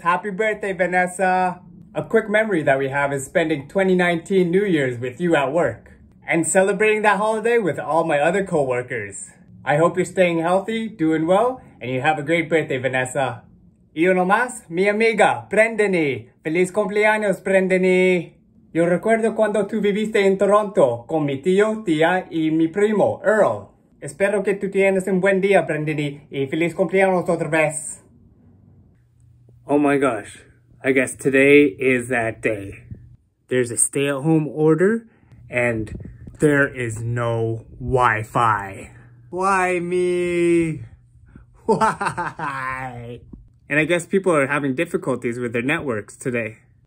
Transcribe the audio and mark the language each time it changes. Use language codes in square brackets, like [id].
[en] Happy birthday, Vanessa. A quick memory that we have is spending 2019 New Year's with you at work and celebrating that holiday with all my other coworkers. I hope you're staying healthy, doing well, and you have a great birthday, Vanessa. [es] Yo nomás, mi amiga, Brendany. Feliz cumpleaños, Brendany. Yo recuerdo cuando tú viviste en Toronto con mi tío, tía y mi primo, Earl. Espero que tú tienes un buen día, Brendany, y feliz cumpleaños otra vez. [en] Oh my gosh, I guess today is that day. There's a stay-at-home order, and there is no Wi-Fi. Why me? Why? And I guess people are having difficulties with their networks today.